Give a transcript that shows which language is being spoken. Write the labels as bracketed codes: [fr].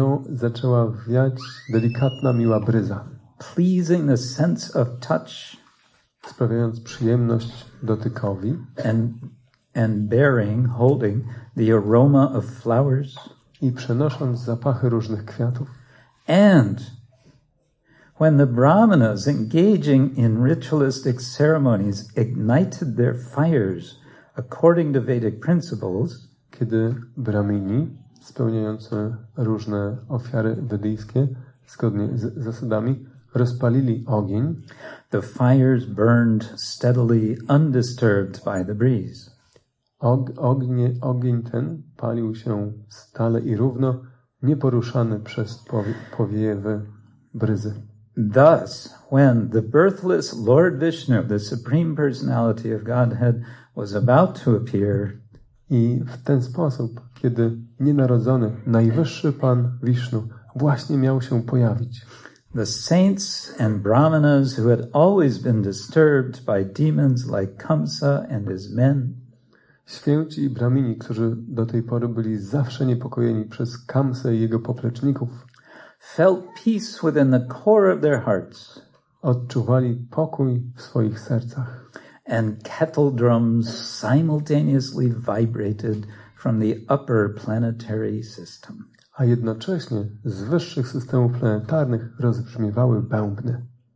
[pl] Zaczęła wiać delikatna, miła bryza. [en] Pleasing the sense of touch. [pl] Sprawiając przyjemność dotykowi. [en] And bearing, holding the aroma of flowers. [pl] I przenosząc zapachy różnych kwiatów. [en] And When the brahmanas engaging in ritualistic ceremonies ignited their fires according to Vedic principles, [pl] kiedy brahmini spełniający różne ofiary wedyjskie zgodnie z zasadami rozpalili ogień, [en] the fires burned steadily undisturbed by the breeze. [pl] Ogień ten palił się stale i równo, nieporuszany przez powiewy bryzy. [en] Thus, when the birthless Lord Vishnu, the Supreme Personality of Godhead, was about to appear, [pl] i w ten sposób, kiedy nienarodzony, najwyższy Pan Vishnu właśnie miał się pojawić, [en] the saints and brahmanas who had always been disturbed by demons like Kamsa and his men, [pl] święci i brahmini, którzy do tej pory byli zawsze niepokojeni przez Kamsę i jego popleczników, [en] felt peace within the core of their hearts, [pl] odczuwali pokój w swoich sercach, [en] and kettle drums simultaneously vibrated from the upper planetary system. [pl] A jednocześnie z wyższych systemów planetarnych rozbrzmiewały bębny.